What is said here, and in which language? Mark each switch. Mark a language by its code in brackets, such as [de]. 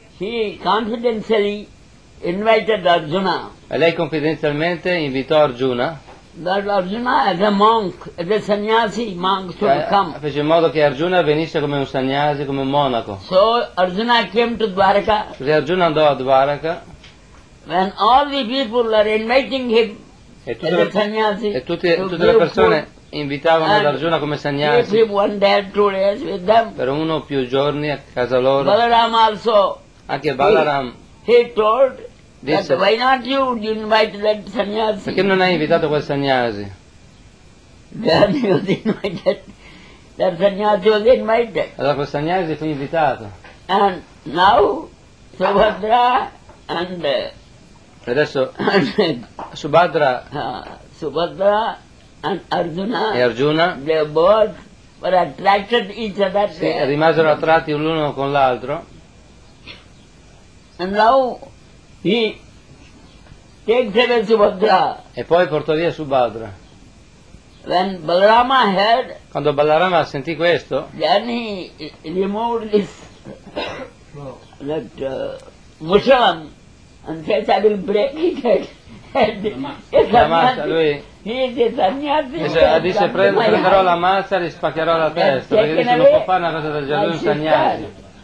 [en] He confidentially invited Arjuna. [it] E lei confidenzialmente invitò Arjuna. [en] That Arjuna as a monk, as a sannyasi monk to come. [it] Fece in modo che Arjuna venisse come un sannyasi, come un monaco. [en] So Arjuna came to Dwaraka. [it] Se Arjuna andò a Dwaraka. [en] When all the people are inviting him as a sannyasi. [it] E tutte le persone invitavano Arjuna come sannyasi. [en] Give him one day, 2 days with them. [it] Per uno o più giorni a casa loro. [en] Balaram also. [it] Anche Balaram. [en] He told. [it] Disse, [en] why not you invite that sannyasi? [it] Perché non hai invitato quel sannyasi? [en] Then he was invited. That sannyasi was invited. [it] Allora quel sannyasi fu invitato. [en] And now Subhadra and [it] adesso Subhadra. [en] Subhadra and Arjuna. [it] E Arjuna. [en] They both were attracted each other. [it] Sì, rimasero attratti l'uno con l'altro. [en] And now. He takes away Subhadra. [it] E poi portò via Subhadra. [en] When Balarama heard, [it] quando Balarama sentì questo, [en] then he removed this that mushalam and says, I will break it. [it] Dice prenderò la mazza e spaccherò la testa, perché dice non può fare una cosa del genere, un sannyasi.